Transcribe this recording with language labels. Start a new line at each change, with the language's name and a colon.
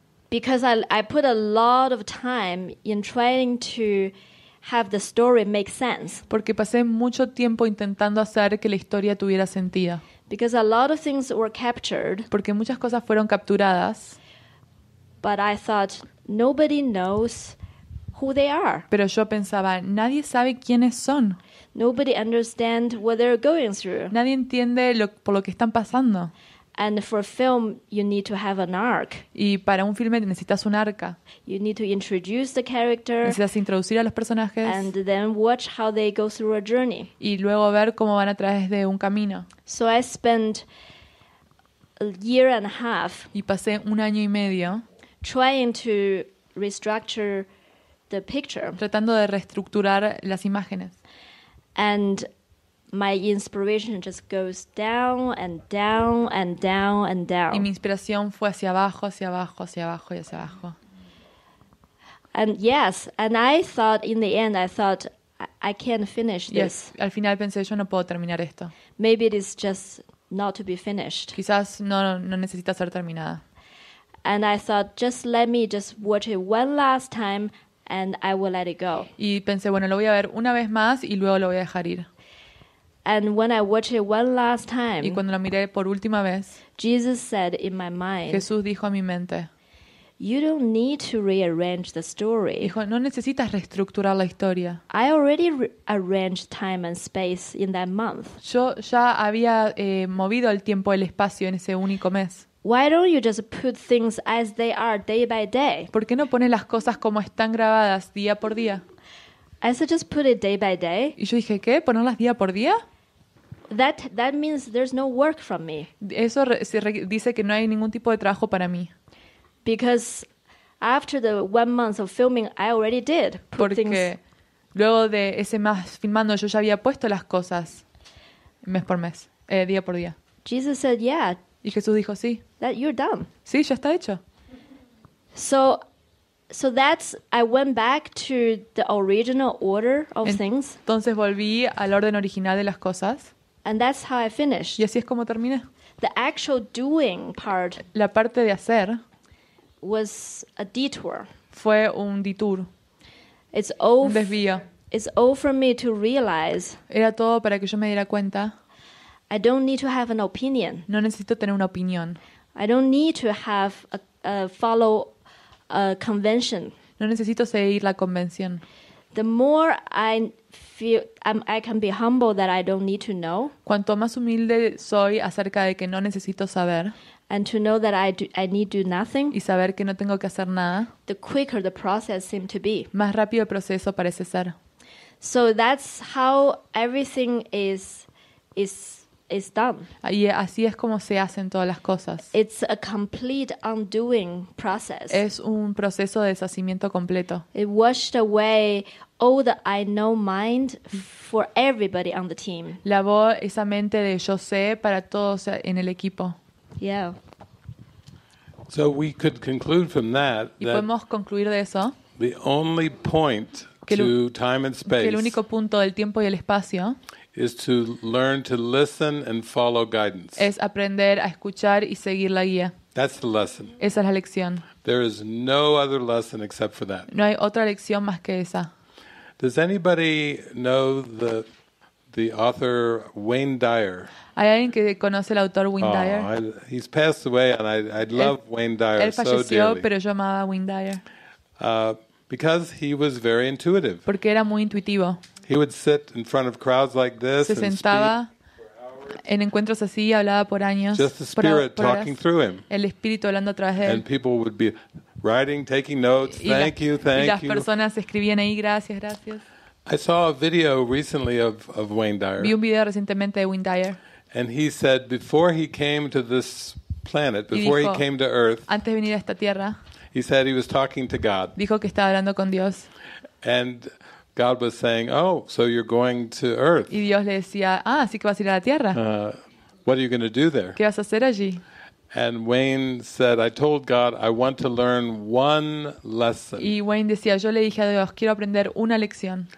English: Because I put a lot of time in trying to have the story make sense.
Spanish: Porque pasé mucho tiempo intentando hacer que la historia tuviera sentido.
English: Because a lot of things were captured.
Spanish: Porque muchas cosas fueron capturadas.
English: But I thought nobody knows who they are.
Spanish: Pero yo pensaba, nadie sabe quiénes son.
English: Nobody understands what they're going through.
Spanish: Nadie entiende por lo que están pasando.
English: And for a film, you need to have an arc.
Spanish: Y para un filme necesitas un arca.
English: You need to introduce the character.
Spanish: Necesitas introducir a los personajes.
English: And then watch how they go through a journey.
Spanish: Y luego ver cómo van a través de un camino.
English: So I spent a year and a half.
Spanish: Y pasé un año y medio.
English: Trying to restructure the picture.
Spanish: Tratando de reestructurar las imágenes.
English: And my inspiration just goes down and down and down and down.
Spanish: Y mi inspiración fue hacia abajo, hacia abajo, hacia abajo y hacia abajo.
English: And yes, and I thought in the end, I thought I can't finish this.
Spanish: Yes, al final pensé yo no puedo terminar esto.
English: Maybe it is just not to be finished.
Spanish: Quizás no necesita ser terminada.
English: And I thought just let me just watch it one last time and I will let it go.
Spanish: Y pensé bueno lo voy a ver una vez más y luego lo voy a dejar ir.
English: And when I watched it one last time,
Spanish: y cuando lo miré por última vez,
English: Jesus said in my mind,
Spanish: Jesús dijo a mi mente,
English: You don't need to rearrange the story.
Spanish: Hijo, no necesitas reestructurar la historia.
English: I already arranged time and space in that month.
Spanish: Yo ya había movido el tiempo y el espacio en ese único mes.
English: Why don't you just put things as they are, day by day?
Spanish: ¿Por qué no pones las cosas como están grabadas, día por día?
English: I said, just put it day by day.
Spanish: Y yo dije, ¿qué? ¿Ponerlas día por día?
English: That means there's no work from me.
Spanish: Eso dice que no hay ningún tipo de trabajo para mí.
English: Because after the 1 month of filming, I already did put Porque things.
Spanish: Luego de ese mes filmando, yo ya había puesto las cosas mes por mes, día por día.
English: Jesus said, yeah.
Spanish: Y Jesús dijo, sí.
English: That you're done.
Spanish: Sí, ya está hecho.
English: So that's, I went back to the original order of things.
Spanish: Entonces volví al orden original de las cosas.
English: And that's how I finished.
Spanish: Y así es como terminé.
English: The actual doing part.
Spanish: La parte de hacer.
English: Was a detour.
Spanish: Fue un detour.
English: It's all.
Spanish: Un desvío.
English: It's all for me to realize.
Spanish: Era todo para que yo me diera cuenta.
English: I don't need to have an opinion.
Spanish: No necesito tener una opinión.
English: I don't need to have a follow a convention.
Spanish: No necesito seguir la convención.
English: The more I feel I can be humble that I don't need to know.
Spanish: Cuanto más humilde soy acerca de que no necesito saber.
English: And to know that I need do nothing.
Spanish: Y saber que no tengo que hacer nada.
English: The quicker the process seems to be.
Spanish: Más rápido el proceso parece ser.
English: So that's how everything is done.
Spanish: Y así es como se hacen todas las cosas.
English: It's a complete undoing process.
Spanish: Es un proceso de deshacimiento completo.
English: It washed away all the I know mind for everybody on the team.
Spanish: Lavó esa mente de yo sé para todos en el equipo.
English: Yeah. So we could conclude from that.
Spanish: Y podemos concluir de eso.
English: The only point to time and space.
Spanish: Que el único punto del tiempo y el espacio.
English: Is to learn to listen and follow guidance.
Spanish: Es aprender a escuchar y seguir la guía.
English: That's the lesson.
Spanish: Esa es la lección.
English: There is no other lesson except for that.
Spanish: No hay otra lección más que esa.
English: Does anybody know the author Wayne Dyer?
Spanish: ¿Hay alguien que conoce el autor Wayne Dyer?
English: He's passed away, and I love Wayne Dyer
Spanish: él falleció,
English: so dearly.
Spanish: Pero yo amaba a Wayne Dyer.
English: Because he was very intuitive.
Spanish: Porque era muy intuitivo.
English: He would sit in front of crowds like this.
Spanish: Se sentaba en encuentros así, hablaba por años.
English: Just the spirit talking through him.
Spanish: El espíritu hablando a través de él.
English: And people would be writing, taking notes. Thank you.
Spanish: Y las personas escribían ahí, gracias, gracias.
English: I saw a video recently of Wayne Dyer.
Spanish: Vi un video recientemente de Wayne Dyer.
English: And he said before he came to this planet, before he came to Earth.
Spanish: Antes de venir a esta tierra.
English: He said he was talking to God.
Spanish: Dijo que estaba hablando con Dios.
English: And God was saying, "Oh, so you're going to Earth?"
Spanish: Y Dios le decía, "Ah, así que vas a ir a la Tierra."
English: What are you going to do there?
Spanish: ¿Qué vas a hacer allí?
English: And Wayne said, "I told God I want to learn one lesson."
Spanish: Y Wayne decía, "Yo le dije a Dios, quiero aprender una lección."